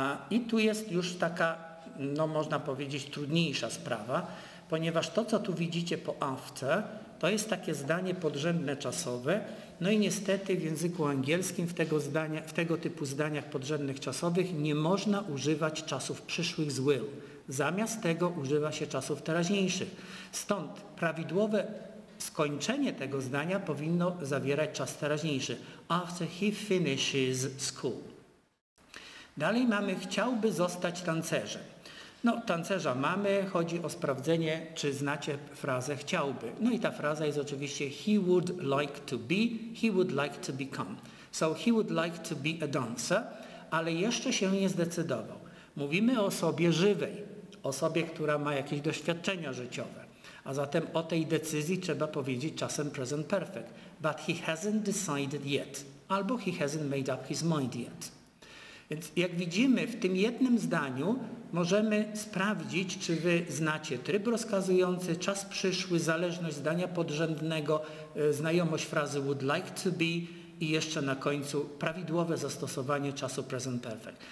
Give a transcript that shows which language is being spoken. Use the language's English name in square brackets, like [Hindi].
[Polish] I tu jest już taka, no można powiedzieć, trudniejsza sprawa, ponieważ to, co tu widzicie po after, to jest takie zdanie podrzędne czasowe, no i niestety w języku angielskim w tego typu zdaniach podrzędnych czasowych nie można używać czasów przyszłych z will. Zamiast tego używa się czasów teraźniejszych. Stąd prawidłowe skończenie tego zdania powinno zawierać czas teraźniejszy. [English] After he finishes school. [Polish] Dalej mamy chciałby zostać tancerzem. No, tancerza mamy, chodzi o sprawdzenie, czy znacie frazę chciałby. No i ta fraza jest oczywiście [English] he would like to be, he would like to become. So he would like to be a dancer, [Polish] ale jeszcze się nie zdecydował. Mówimy o osobie żywej, osobie, która ma jakieś doświadczenia życiowe. A zatem o tej decyzji trzeba powiedzieć czasem present perfect. [English] But he hasn't decided yet. [Polish] Albo [English] he hasn't made up his mind yet. [Polish] Więc jak widzimy, w tym jednym zdaniu możemy sprawdzić, czy wy znacie tryb rozkazujący, czas przyszły, zależność zdania podrzędnego, znajomość frazy would like to be i jeszcze na końcu prawidłowe zastosowanie czasu present perfect.